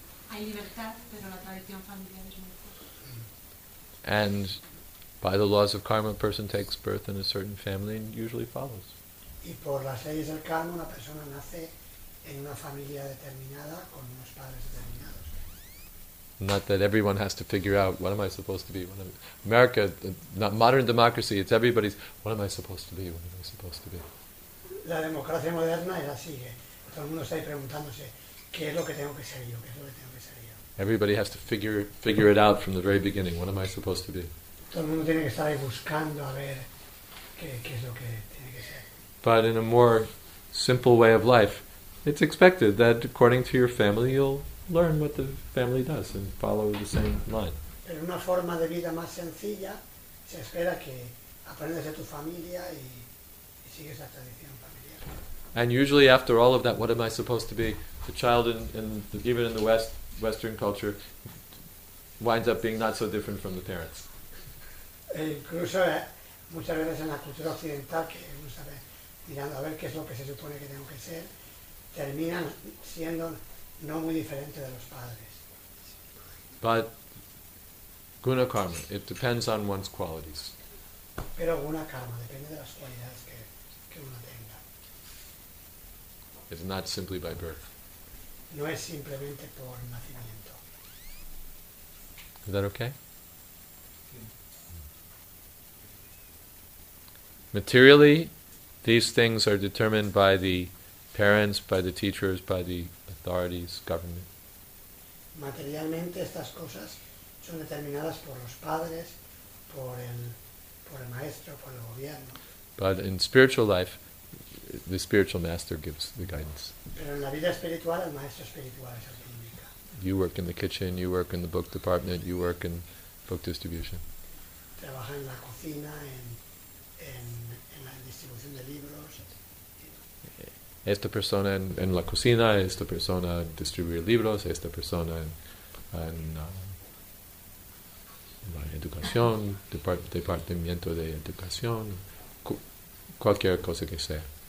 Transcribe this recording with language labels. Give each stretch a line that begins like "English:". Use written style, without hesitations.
Spanish: hay libertad, pero la tradición familiar es muy fuerte.
English: And by the laws of karma, a person takes birth in a certain family and usually follows.
Spanish: Y por las leyes del karma, una persona nace en una familia determinada con unos padres determinados.
English: Not that everyone has to figure out, what am I supposed to be? America, not modern democracy, it's everybody's, what am I supposed to be? What am I supposed to be?
Spanish: La democracia moderna es así, que todo el mundo está ahí preguntándose, ¿qué es lo que tengo que ser yo? ¿Qué es lo que tengo que ser yo?
English: Everybody has to figure it out from the very beginning, what am I supposed to be?
Spanish: Todo el mundo tiene que estar ahí buscando a ver qué es lo que tiene que ser.
English: But in a more simple way of life, it's expected that according to your family, you'll learn what the family does and follow the same line.
Spanish: Pero una forma de vida más sencilla, se espera que aprendas de tu familia y sigues la tradición familiar.
English: And usually after all of that, what am I supposed to be? The child even in the Western culture winds up being not so different from the parents.
Spanish: Incluso muchas veces en la cultura occidental, que muchas veces mirando a ver qué es lo que se supone que tengo que ser, terminan siendo no muy diferente de los padres.
English: But guna karma, it depends on one's qualities.
Spanish: Pero guna karma depende de las cualidades que uno tenga.
English: It's not simply by birth.
Spanish: No es simplemente por nacimiento.
English: Is that okay? Materially, these things are determined by the parents, by the teachers, by the authorities, government.
Spanish: Materialmente, estas cosas son determinadas por los padres, por el maestro, por el gobierno.
English: But in spiritual life, the spiritual master gives the guidance.
Spanish: Pero en la vida espiritual, el maestro espiritual es el que indica.
English: You work in the kitchen, you work in the book department, you work in book distribution.
Spanish: Trabaja en la cocina, en la distribución de libros. Esta persona en la cocina, esta persona en distribuir libros, esta persona en la educación, departamento de educación, cualquier cosa que sea.